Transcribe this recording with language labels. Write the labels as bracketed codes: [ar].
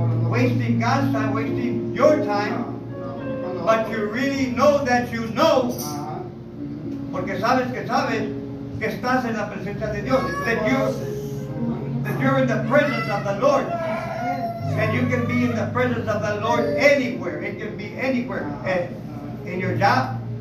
[en] Wasting God's time, wasting your time. But you really know that you know. [es] Porque sabes que estás en la presencia de Dios. [en] That you're in the presence of the Lord. And you can be in the presence of the Lord anywhere. It can be anywhere. In your job.